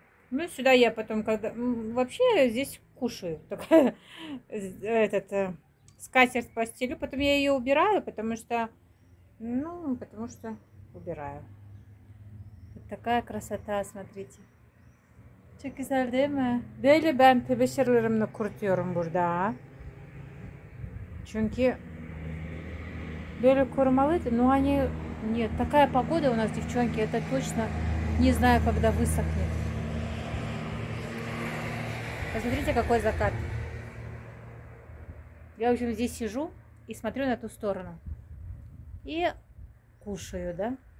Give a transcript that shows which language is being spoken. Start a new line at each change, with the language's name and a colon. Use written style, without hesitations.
Russian: Ну, сюда я потом, когда... Вообще, я здесь кушаю. Этот скатерть постелю, потом я ее убираю, потому что... Ну, потому что убираю. Вот такая красота, смотрите.
Turkish: Çok güzel değil mi? Böyle ben tebeşirlerimle kurutuyorum burada. Çünkü böyle kurumalıydı.
Russian: Но они... Нет, такая погода у нас, девчонки. Это точно не знаю, когда высохнет. Посмотрите, какой закат. Я, в общем, здесь сижу и смотрю на ту сторону. И кушаю, да?